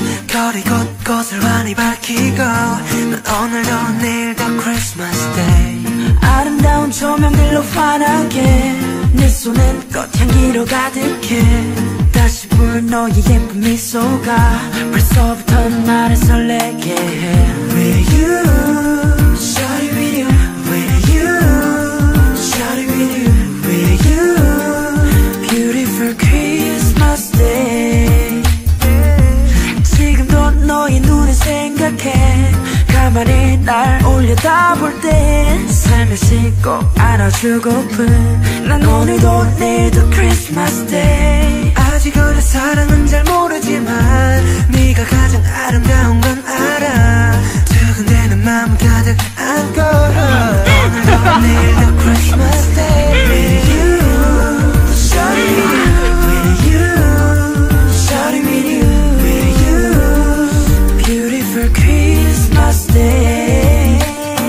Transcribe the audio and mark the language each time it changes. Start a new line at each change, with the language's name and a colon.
Korean: 거리 곳곳을 많이 밝히고. 난 오늘도 내일도 Christmas day. 아름다운 조명들로 환하게. 내 손엔 꽃향기로 가득해. 다시 볼 너의 예쁜 미소가 벌써부터 나를 설레게 해.
English: With you, shawty with you. With you, shawty with you. With you, beautiful Christmas day.
Korean: 지금도 너의 눈을 생각해. 가만히 날 올려다볼 땐 살며시 꼭 안아주고픈. 난 오늘도 내일도 Christmas day. 아직 우리 사랑은 잘 모르지만 네가 가장 아름다운 건 알아. 두근대는 마음 가득 안고 오늘도 내일도 Christmas day.
English: With you, shawty with you. With you, shawty with you. With you, beautiful Christmas day.